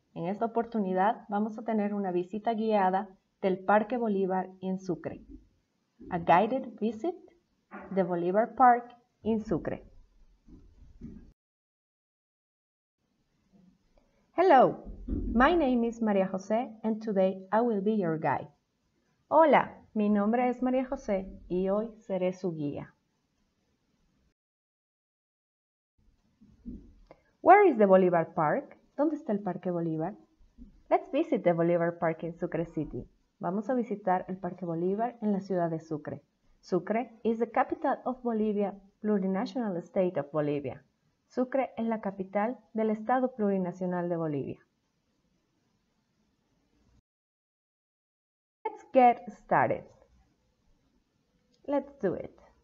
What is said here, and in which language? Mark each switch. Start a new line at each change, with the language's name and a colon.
Spanish: En esta oportunidad vamos a tener una visita guiada del Parque Bolívar en Sucre.
English: A guided visit the Bolivar Park in Sucre. Hello, my name is María José and today I will be your guide.
Spanish: Hola, mi nombre es María José y hoy seré su guía.
English: Where is the Bolívar Park?
Spanish: ¿Dónde está el Parque Bolívar?
English: Let's visit the Bolívar Park in Sucre City.
Spanish: Vamos a visitar el Parque Bolívar en la ciudad de Sucre.
English: Sucre is the capital of Bolivia, plurinational state of Bolivia.
Spanish: Sucre es la capital del estado plurinacional de Bolivia.
English: Let's get started. Let's do it.